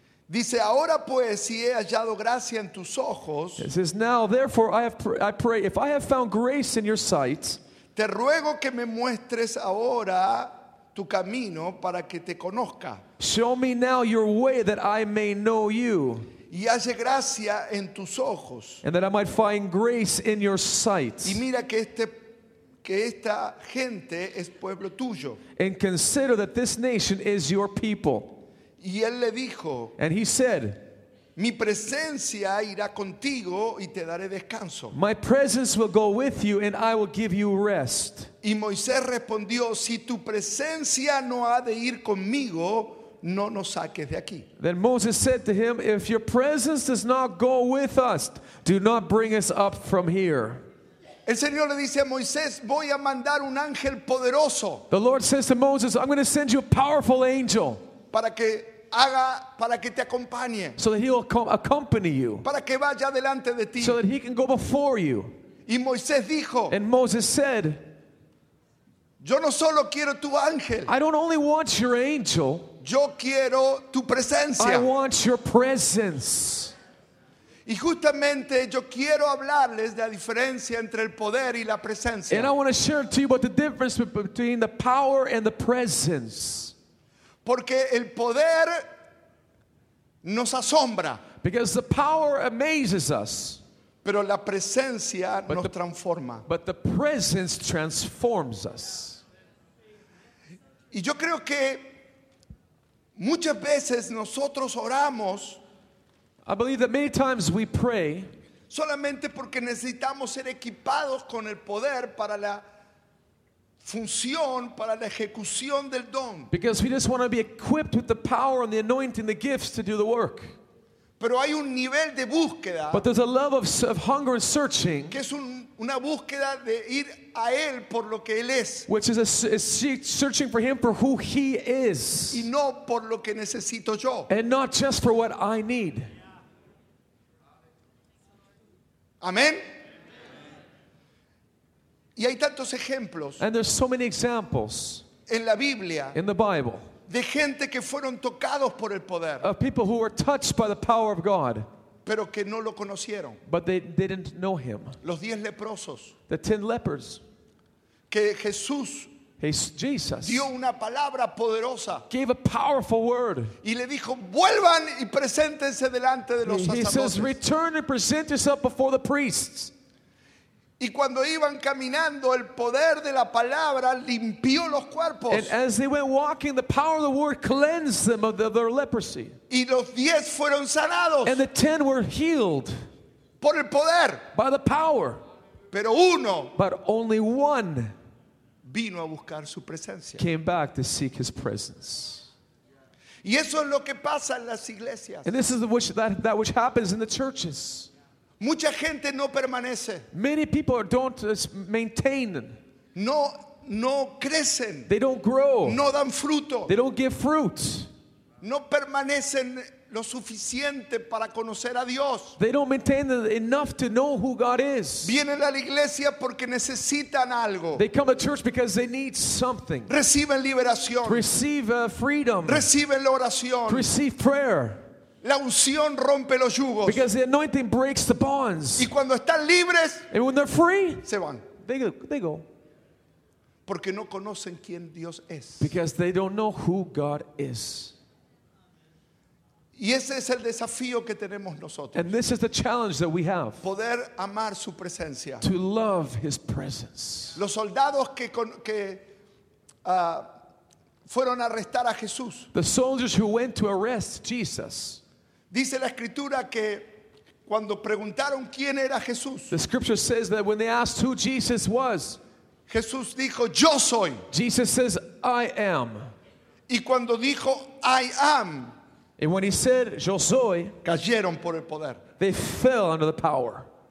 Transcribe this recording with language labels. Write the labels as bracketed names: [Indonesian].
[Spanish] Dice, ahora pues, si he hallado gracia en tus ojos. [English] It says, now therefore I pray, if I have found grace in your sight. [Spanish] Te ruego que me muestres ahora tu camino para que te conozca. [English] Show me now your way that I may know you. [Spanish] Y halle gracia en tus ojos. [English] And that I might find grace in your sight. [Spanish] Y mira que esta gente es pueblo tuyo. [English] And consider that this nation is your people. [Spanish] Y él le dijo, [English] and he said, [Spanish] mi presencia irá contigo y te daré descanso. [English] My presence will go with you and I will give you rest. [Spanish] Y Moisés respondió, si tu presencia no ha de ir conmigo, no nos saques de aquí. [English] Then Moses said to him, if your presence does not go with us, do not bring us up from here. [Spanish] El Señor le dice a Moisés, voy a mandar un ángel poderoso. [English] The Lord says to Moses, I'm going to send you a powerful angel. [Spanish] Para que haga, para que te acompañe. [English] So that he will accompany you. [Spanish] Para que vaya delante de ti. [English] So that he can go before you. [Spanish] Y Moisés dijo, [English] and Moses said, [Spanish] yo no solo quiero tu ángel. [English] I don't only want your angel. [Spanish] Yo quiero tu presencia. [English] I want your presence. [Spanish] Y justamente yo quiero hablarles de la diferencia entre el poder y la presencia. [English] And I want to share to you about the difference between the power and the presence. [Spanish] Porque el poder nos asombra. [English] Because the power amazes us. [Spanish] Pero la presencia nos transforma. [English] But the presence transforms us. [Spanish] Y yo creo que muchas veces nosotros oramos. [English] I believe that many times we pray [Spanish] solamente porque necesitamos ser equipados con el poder para la función, para la ejecución del don. [English] Because we just want to be equipped with the power and the anointing, the gifts to do the work. [Spanish] Pero hay un nivel de búsqueda. [English] But there's a love of hunger and searching. [Spanish] Que es una búsqueda de ir a él por lo que él es. [English] Which is searching for him for who he is. [Spanish] Y no por lo que necesito yo. [English] And not just for what I need. [Spanish] Amén. Y hay tantos ejemplos. [English] And there's so many examples. [Spanish] En la Biblia. [English] In the Bible. [Spanish] De gente que fueron tocados por el poder. [English] Of people who were touched by the power of God. [Spanish] Pero que no lo conocieron. [English] But they didn't know him. [Spanish] Los 10 leprosos. [English] The 10 lepers. [Spanish] Que Jesús. [English] Jesus. [Spanish] Dio una palabra poderosa. [English] Gave a powerful word. [Spanish] Y le dijo, vuelvan y preséntense delante de los sacerdotes. [English] He says, return and present yourself before the priests. [Spanish] Y cuando iban caminando, el poder de la palabra limpió los cuerpos. [English] And as they went walking, the power of the word cleansed them of their leprosy. [Spanish] Y los 10 fueron sanados. [English] And the 10 were healed. [Spanish] Por el poder. [English] By the power. [Spanish] Pero uno. [English] But only one. [Spanish] Vino a buscar su presencia. [English] Came back to seek his presence. [Spanish] Y eso es lo que pasa en las iglesias. [English] And this is that which happens in the churches. [Spanish] Mucha gente no permanece. [English] Many people don't maintain. [Spanish] No crecen. [English] They don't grow. [Spanish] No dan fruto. [English] They don't give fruit. [Spanish] No permanecen lo suficiente para conocer a Dios. [English] They don't maintain enough to know who God is. [Spanish] Vienen a la iglesia porque necesitan algo. [English] They come to church because they need something. [Spanish] Reciben liberación. [English] Receive freedom. [Spanish] Reciben la oración. [English] Receive prayer. [Spanish] La unción rompe los yugos. [English] Because the anointing breaks the bonds. [Spanish] Y cuando están libres, [English] and when they're free, [Spanish] se van. [English] They go. [Spanish] Porque no conocen quién Dios es. [English] Because they don't know who God is. [Spanish] Y ese es el desafío que tenemos nosotros. [English] And this is the challenge that we have. [Spanish] Poder amar su presencia. [English] To love his presence. [Spanish] Los soldados que fueron a arrestar a Jesús. [English] The soldiers who went to arrest Jesus. [Spanish] Dice la escritura que cuando preguntaron quién era Jesús. [English] The scripture says that when they asked who Jesus was. [Spanish] Jesús dijo, yo soy. [English] Jesus says, I am. [Spanish] Y cuando dijo, [English] I am. And when he said, [Spanish] yo soy, cayeron por el poder. [English] They fell under the power.